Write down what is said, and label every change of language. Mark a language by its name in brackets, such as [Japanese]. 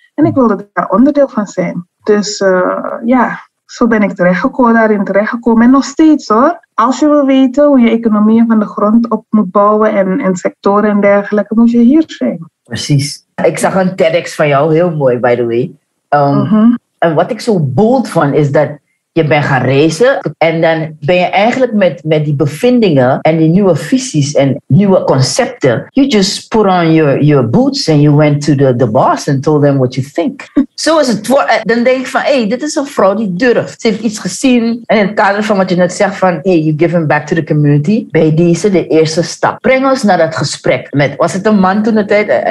[Dutch] En ik wilde daar onderdeel van zijn. Dus zo ben ik daarin terechtgekomen. En nog steeds hoor, als je wil weten hoe je economieën van de grond op moet bouwen en sectoren en dergelijke, moet je hier zijn. Precies. Ik zag een TEDx van jou, heel mooi, [English] by the way. [Dutch] En wat ik zo bold van is dat je bent gaan reizen en dan ben je eigenlijk met die bevindingen en die nieuwe visies en nieuwe concepten. [English] You just put on your boots and you went to the boss and told them what you think. [Dutch] Zo is het. Dan denk ik van, hey, dit is een vrouw die durft. Ze heeft iets gezien en in het kader van wat je net zegt van, hey, [English] you give him back to the community. [Dutch] Bij deze de eerste stap. Breng ons naar dat gesprek met, was het een man toen de tijd?